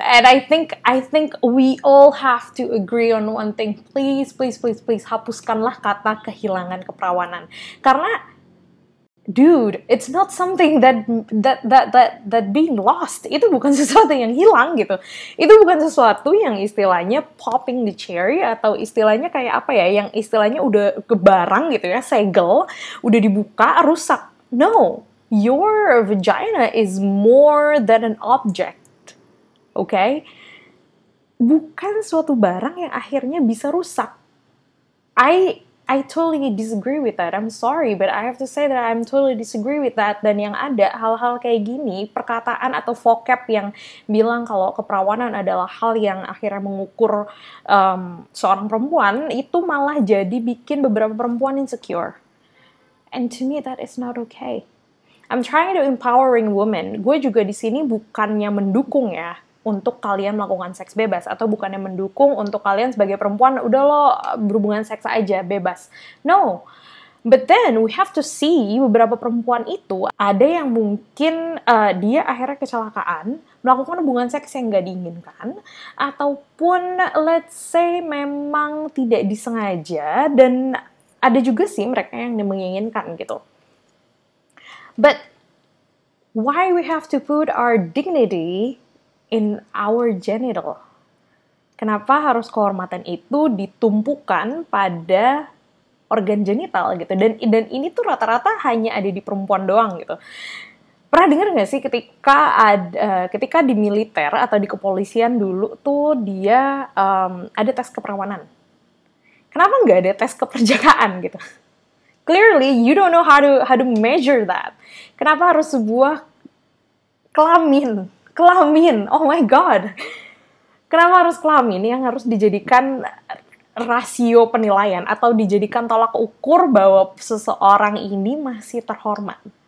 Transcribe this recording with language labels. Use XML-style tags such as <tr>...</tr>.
<en>And I think we all have to agree on one thing. Please, please, please, please,</en> <id>hapuskanlah kata kehilangan keperawanan. Karena,</id> <en>dude, it's not something that being lost.</en> <id>Itu bukan sesuatu yang hilang, gitu. Itu bukan sesuatu yang istilahnya</id> <en>popping the cherry</en> <id>atau istilahnya kayak apa ya, yang istilahnya udah kebarang gitu ya, segel, udah dibuka, rusak.</id> <en>No. Your vagina is more than an object, okay?</en> <id>Bukan suatu barang yang akhirnya bisa rusak.</id> <en>I totally disagree with that. I'm sorry, but I have to say that I'm totally disagree with that.</en> <id>Dan yang ada hal-hal kayak gini, perkataan atau vocab yang bilang kalau keperawanan adalah hal yang akhirnya mengukur seorang perempuan, itu malah jadi bikin beberapa perempuan insecure.</id> <en>And to me, that is not okay. I'm trying to empowering women.</en> <id>Gue juga di sini bukannya mendukung ya untuk kalian melakukan seks bebas atau bukannya mendukung untuk kalian sebagai perempuan udah lo berhubungan seks aja bebas.</id> <en>No. But then we have to see</en> <id>beberapa perempuan itu ada yang mungkin dia akhirnya kecelakaan melakukan hubungan seks yang gak diinginkan ataupun</id> <en>let's say</en> <id>memang tidak disengaja dan ada juga sih mereka yang menginginkan gitu.</id> <en>But why we have to put our dignity in our genital?</en> <id>Kenapa harus kehormatan itu ditumpukan pada organ genital gitu? Dan ini tuh rata-rata hanya ada di perempuan doang gitu. Pernah dengar nggak sih ketika di militer atau di kepolisian dulu tuh dia ada tes keperawanan? Kenapa nggak ada tes keperjakaan gitu?</id> <en>Clearly, you don't know how to measure that.</en> <id>Kenapa harus sebuah kelamin?</id> <en>Oh my God.</en> <id>Kenapa harus kelamin yang harus dijadikan rasio penilaian atau dijadikan tolak ukur bahwa seseorang ini masih terhormat?</id>